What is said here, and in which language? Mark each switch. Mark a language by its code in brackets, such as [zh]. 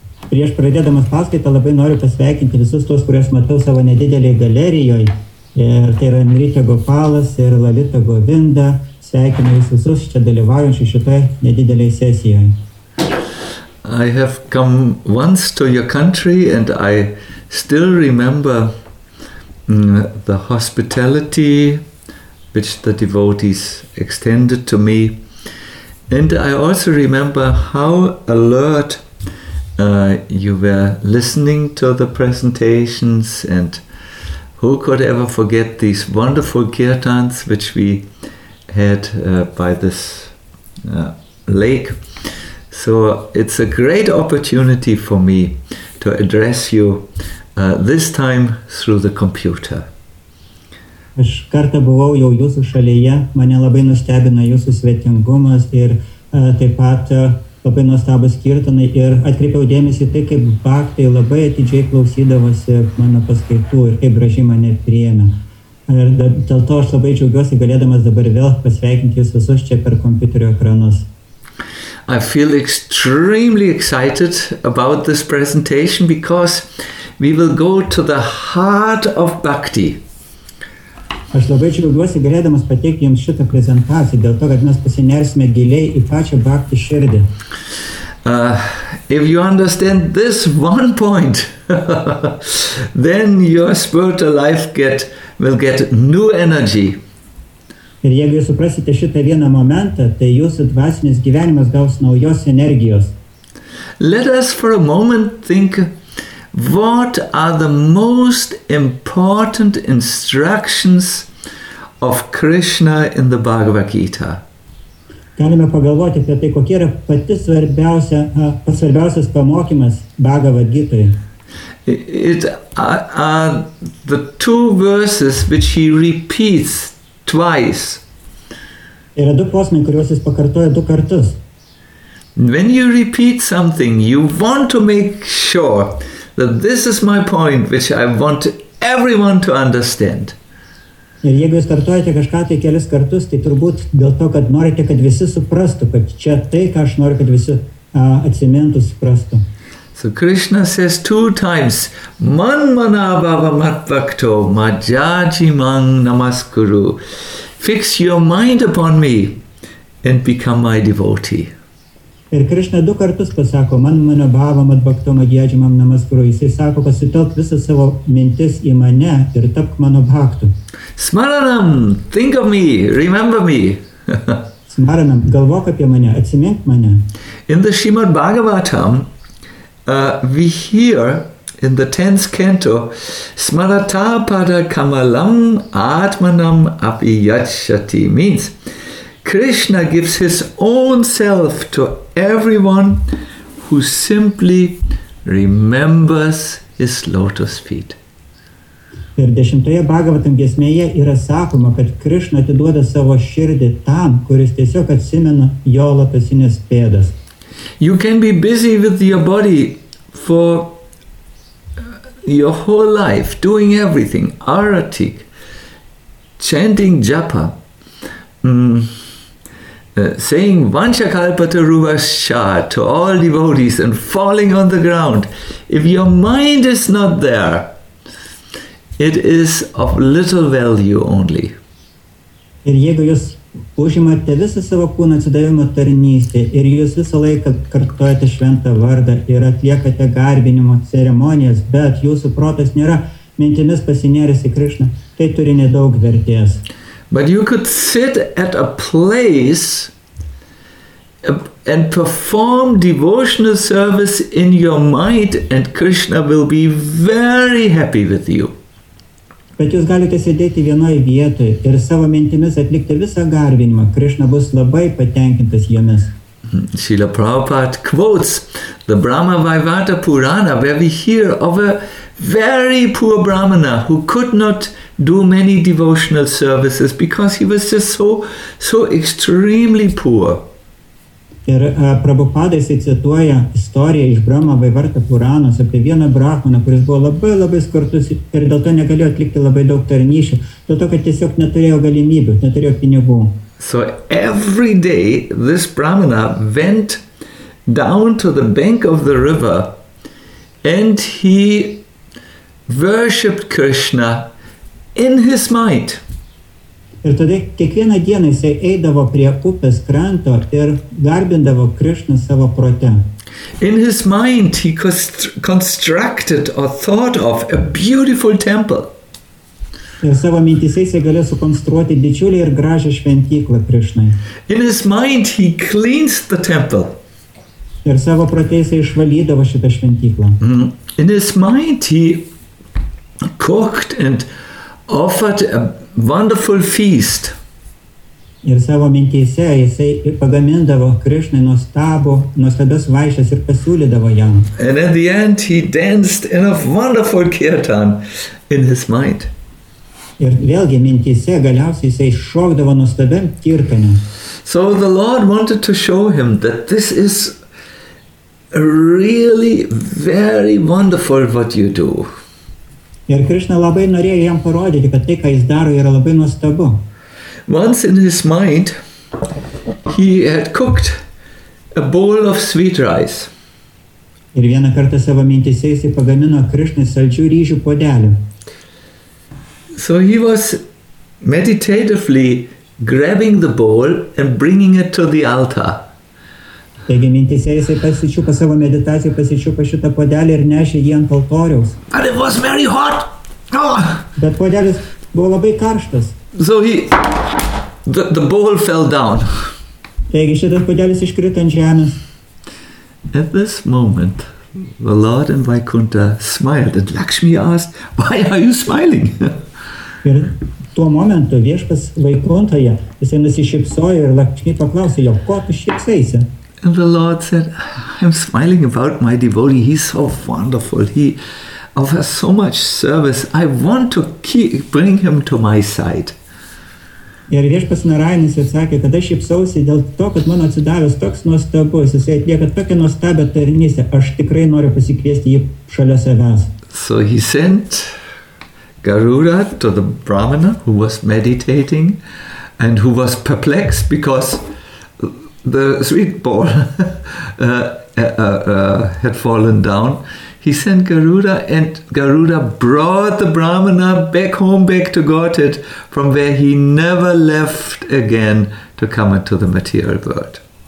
[lt] Prieš pradėdamas paskaitą labai noriu pasveikinti visus tos, kuriuos matau savo nedidelėje galerijoje. Ir tai yra Nritya Gopalas ir Lalita Govinda. Sveikinu jūs visus čia dalyvaujančius šitoje nedidelėje sesijoje. [en] I have come once to your country and I still remember the hospitality which the devotees extended to me. And I also remember how alert you were listening to the presentations, and who could ever forget these wonderful kirtans which we had by this lake. So it's a great opportunity for me to address you this time through the computer. [lt] Aš kartą buvau jau jūsų šalyje, mane labai nustebino jūsų svetingumas ir taip pat labai nuostabus kirtanai ir atkreipiau dėmesį tai, kaip baktai labai atidžiai klausydavosi mano paskaitų ir kaip gražiai mane priėmė. Ir dėl to aš labai džiaugiuosi galėdamas dabar vėl pasveikinti jūs visus čia per kompiuterio ekranus. [en] I feel extremely excited about this presentation because we will go to the heart of bhakti. [lt] Aš labai džiaugiuosi galėdamas pateikti jums šitą prezentaciją dėl to, kad mes pasinersime giliai į pačią bhakti širdį. [en] If you understand this one point, then your spiritual life will get new energy. [lt] Ir jeigu jūs suprasite šitą vieną momentą, tai jūsų dvasinis gyvenimas gaus naujos energijos. [en] Let us for a moment think, what are the most important instructions of Krishna in the Bhagavad Gita. [lt] Galime pagalvoti apie tai, kokia yra pati svarbiausias pamokymas Bhagavad Gitoje. [en] It are the two verses which he repeats twice. [lt] Yra du posmai, kuriuos jis pakartoja du kartus. [en] When you repeat something, you want to make sure that this is my point which I want everyone to understand. [lt] Ir jeigu jūs kartuojate kažką tai kelis kartus, tai turbūt dėl to, kad norite, kad visi suprastų, kad čia tai, ką aš noriu, kad visi atsimintų, suprastų. [en] So Krishna says two times, [sa] man mana bhava matvakto majaji man namaskuru. [en] Fix your mind upon me and become my devotee. [lt] Ir Krishna du kartus pasako, [sa] man mana bhava matvakto majaji man namaskuru. [lt] Jis sako, pasitelk visą savo mintis į mane ir tapk mano bhaktu. [en] Smaranam, think of me, remember me. [lt] Smaranam, galvok apie mane, atsimink mane. [en] In the Srimad Bhagavatam, we hear in the 10th canto, [sa] Smarata pada kamalam atmanam api yachati, [en] means Krishna gives his own self to everyone who simply remembers his lotus feet. [lt] Ir dešimtoje Bhagavatam giesmėje yra sakoma, kad Krishna atiduoda savo širdį tam, kuris tiesiog atsimena jo lotosinės pėdas. [en] You can be busy with your body for your whole life, doing everything, arati, chanting japa, saying [sa] vanchakalpata ruvasya [en] to all devotees and falling on the ground. If your mind is not there, it is of little value only. [lt] Ir jeigu jūs užimate visą savo kūną atsidavimo tarnystę ir jūs visą laiką kartuojate šventą vardą ir atliekate garbinimo ceremonijas, bet jūsų protas nėra mintimis pasinėręs į Krišną, tai turi nedaug vertės. [en] But you could sit at a place and perform devotional service in your mind and Krishna will be very happy with you. [lt] Bet jūs galite sėdėti vienoje vietoje ir savo mintimis atlikti visą garbinimą. Krišna bus labai patenkintas jomis. [en] Srila Prabhupada quotes the Brahma Vaivata Purana where we hear of a very poor Brahmana who could not do many devotional services because he was just so extremely poor. [lt] Ir Prabhupada cituoja istoriją iš Brahma Vaivarta Puranos apie vieną brahmaną, kuris buvo labai labai skurdus ir dėl to negalėjo atlikti labai daug tarnyšių, dėl to, kad tiesiog neturėjo galimybių, neturėjo pinigų. [en] So every day this brahmana went down to the bank of the river and he worshipped Krishna in his might. [lt] Ir tada kiekvieną dieną jis eidavo prie upės kranto ir garbindavo Krišną savo prote. [en] In his mind he constructed or thought of a beautiful temple. [lt] Ir savo mintyse jis galėjo sukonstruoti didžiulį ir gražią šventyklą Krišnai. [en] In his mind he cleansed the temple. [lt] Ir savo prote jis išvalydavo šitą šventyklą. [en] In his mind he cooked and offered a wonderful feast. [lt] Ir savo mintyse jisai pagamindavo Krišnai nuostabų, nuostabias vaišas ir pasiūlydavo jam. [en] And at the end he danced in a wonderful kirtan in his mind. [lt] Ir vėlgi mintyse galiausiai jisai šokdavo nuostabiam kirtane. [en] So the Lord wanted to show him that this is really very wonderful what you do. [lt] Ir Krišna labai norėjo jam parodyti, kad tai, ką jis daro, yra labai nuostabu. [en] Once in his mind, he had cooked a bowl of sweet rice. [lt] Ir vieną kartą savo mintyse jis pagamino Krišnai saldžių ryžių puodelį. [en] So he was meditatively grabbing the bowl and bringing it to the altar. [lt] Taigi mintyse jisai pasičiupa savo meditaciją, pasičiupa šitą puodelį ir nešė jį ant altoriaus. [en] But it was very hot. Oh. [lt] Bet puodelis buvo labai karštas. [en] So the bowl fell down. [lt] Taigi šitas puodelis iškrito ant žemės. [en] At this moment, the Lord in Vaikuntha smiled and Lakshmi asked, why are you smiling? [lt] Ir tuo momentu viešpas Vaikuntoje, jisai nusišypsojo ir Lakshmi paklausė jo, ko tu šypsaisi? [en] And the Lord said, I'm smiling about my devotee. He's so wonderful. He offers so much service. I want to bring him to my side. [lt] Ir viešpas Narainis atsakė, kad aš šypsausi dėl to, kad mano atsidavęs toks nuostabus. Jis atlieka tokią nuostabią tarnystę. Aš tikrai noriu pasikviesti jį šalia savęs. [en] So he sent Garuda to the Brahmana who was meditating and who was perplexed because the sweet bowl had fallen down. He sent Garuda and Garuda brought the Brahmana back home, back to Godhead, from where he never left again to come into the material world.